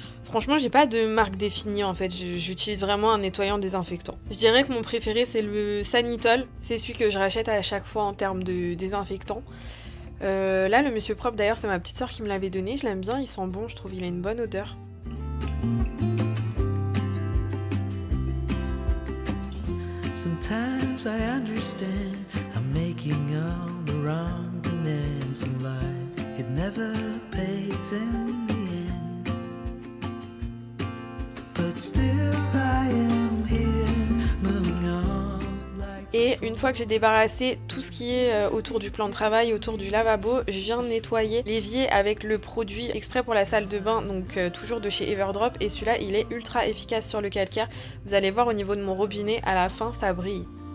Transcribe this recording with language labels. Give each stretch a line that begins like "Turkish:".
French: Franchement, j'ai pas de marque définie en fait, j'utilise vraiment un nettoyant désinfectant. Je dirais que mon préféré c'est le Sanitol, c'est celui que je rachète à chaque fois en termes de désinfectant. Là, le Monsieur Propre, d'ailleurs, c'est ma petite sœur qui me l'avait donné. Je l'aime bien, il sent bon, je trouve, il a une bonne odeur.
English: Sometimes I understand I'm making all the wrong demands in life. It never pays in the end. But still I am here, moving on.
French: Et une fois que j'ai débarrassé tout ce qui est autour du plan de travail, autour du lavabo, je viens nettoyer l'évier avec le produit exprès pour la salle de bain, donc toujours de chez Everdrop. Et celui-là, il est ultra efficace sur le calcaire. Vous allez voir au niveau de mon robinet, à la fin, ça brille.